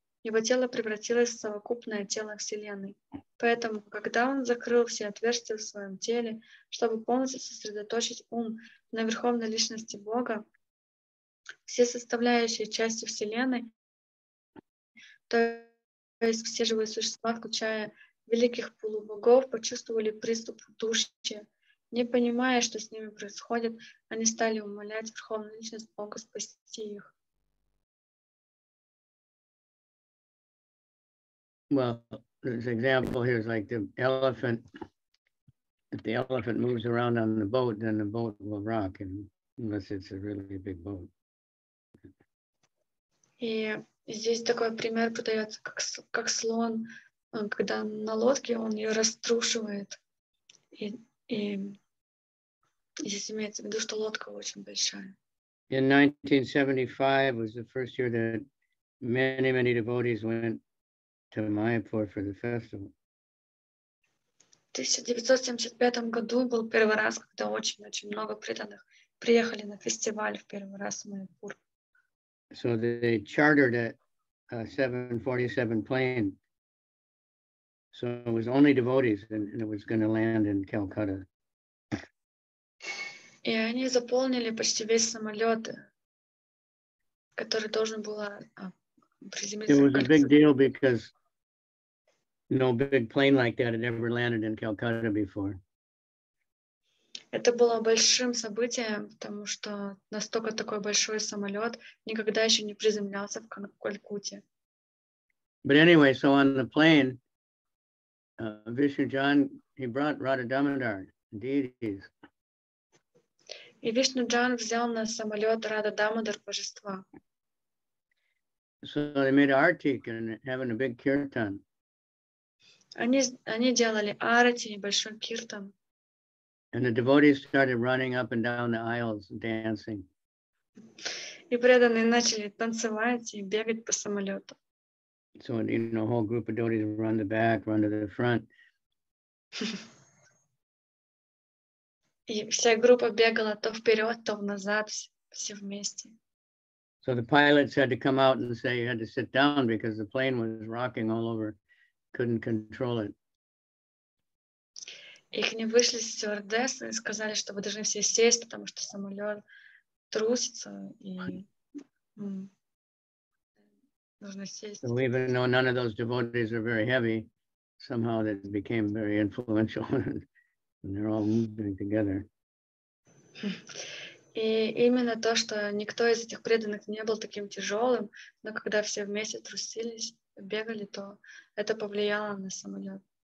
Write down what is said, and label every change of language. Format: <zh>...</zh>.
<ru>Его тело превратилось в совокупное тело Вселенной. Поэтому, когда он закрыл все отверстия в своем теле, чтобы полностью сосредоточить ум на Верховной Личности Бога, все составляющие части Вселенной, то есть все живые существа, включая великих полубогов, почувствовали приступ души. Не понимая, что с ними происходит, они стали умолять Верховную Личность Бога спасти их.</ru> <en>Well, this example here is like the elephant. If the elephant moves around on the boat, then the boat will rock, and unless it's a really big boat.</en> <ru>И здесь такой пример подается, как слон, когда на лодке он ее раструшивает. И здесь имеется в виду, что лодка очень большая.</ru> <en>In 1975 was the first year that many, many devotees went to Mayapur for the festival.</en> <ru>В 1975 году был первый раз, когда очень-очень много преданных приехали на фестиваль в первый раз в Майяпур.</ru> <en>So they chartered a 747 plane. So it was only devotees, and it was going to land in Calcutta.</en> <ru>И они заполнили почти весь самолет, который должен был приземлиться.</ru> <en>It was a big deal because no big plane like that had ever landed in Calcutta before.</en> <ru>Это было большим событием, потому что настолько такой большой самолет никогда еще не приземлялся в Калькутте.</ru> <en>But anyway, so on the plane, Vishnujan, he brought Radha Damodar, deities.</en> <ru>И Вишнуджан взял на самолет Радха Дамодар, божества.</ru> <en>So they made artik and having a big kirtan.</en> <ru>Они делали арати, небольшой киртан.</ru> <en>And the devotees started running up and down the aisles, dancing.</en> <ru>И преданные начали танцевать и бегать по самолету.</ru> <en>So, you know, a whole group of devotees run the back, run to the front.</en> <ru>И вся группа бегала то вперед, то назад, все вместе.</ru> <en>So the pilots had to come out and say you had to sit down because the plane was rocking all over. Couldn't control it.</en> <ru>Их не вышли с стюардессы и сказали, что вы должны все сесть, потому что самолет трусится и нужно сесть.</ru> <en>So even though none of those devotees are very heavy, somehow that became very influential and they're all moving together.</en> <ru>И именно то, что никто из этих преданных не был таким тяжелым, но когда все вместе трусились, бегали, то это повлияло на самолет.</ru>